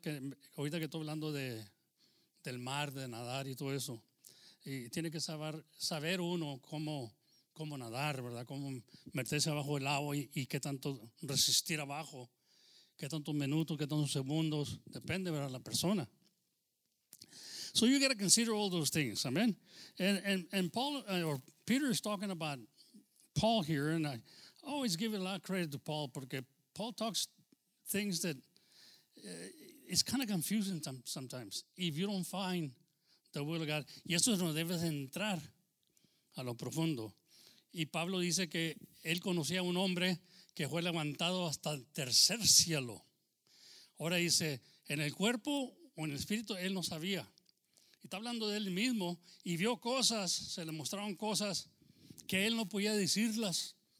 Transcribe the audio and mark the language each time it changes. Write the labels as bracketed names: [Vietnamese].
[Spanish] Que ahorita que estoy hablando del mar, de nadar y todo eso. Y tiene que saber uno cómo nadar, ¿verdad? Cómo meterse abajo del agua y qué tanto resistir abajo. Qué tantos minutos, qué tantos segundos. Depende, ¿verdad? La persona. [English] So you got to consider all those things, amen. And Paul, or Peter is talking about Paul here, and I always give a lot of credit to Paul, porque Paul talks things that it's kind of confusing sometimes if you don't find the will of God. [Spanish] Y eso es donde debes entrar a lo profundo. Y Pablo dice que él conocía a un hombre que fue levantado hasta el tercer cielo. Ahora dice, en el cuerpo o en el espíritu, él no sabía. Y está hablando de él mismo y vio cosas, se le mostraron cosas que él no podía decirlas.